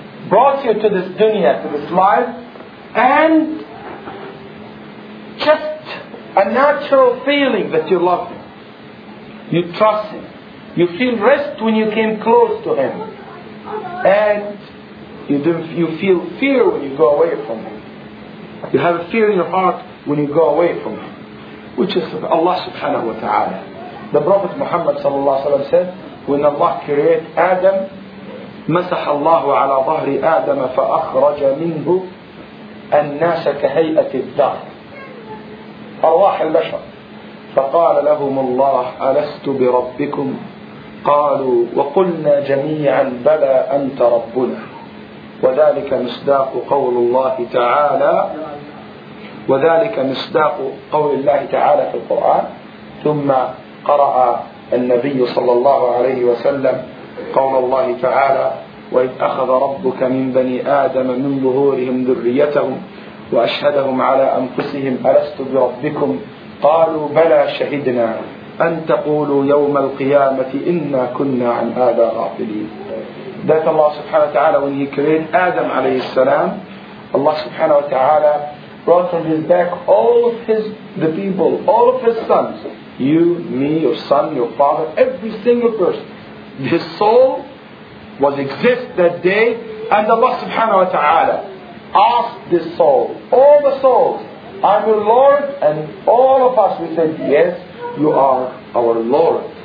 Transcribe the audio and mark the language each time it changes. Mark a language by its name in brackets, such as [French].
[English] brought you to this dunya, to this life, and just a natural feeling that you love him, you trust him, you feel rest when you came close to him, and you feel fear when you go away from him. You have a fear in your heart when you go away from him, which is Allah subhanahu wa ta'ala. The Prophet Muhammad sallallahu alaihi wasallam said, when Allah created Adam, [Arabic] مسح الله على ظهر آدم فأخرج منه الناس كهيئة الدار أرواح البشر فقال لهم الله ألست بربكم قالوا وقلنا جميعا بلى أنت ربنا وذلك مصداق قول الله تعالى في القرآن ثم قرأ النبي صلى الله عليه وسلم قول الله تعالى وإذ أخذ ربك من بني آدم من ظهورهم ذريتهم وأشهدهم على أنفسهم ألست بربكم قالوا بلى شهدنا أن تقولوا يوم القيامة إنا كنا عن هذا غافلين. [English] That Allah subhanahu wa ta'ala, when he created Adam alayhi salam, Allah subhanahu wa ta'ala brought on his back all of the people, all of his sons. You, me, your son, your father, every single person. His soul was exist that day, and Allah subhanahu wa ta'ala asked this soul, all the souls, I'm your Lord, and all of us, we said, yes, you are our Lord.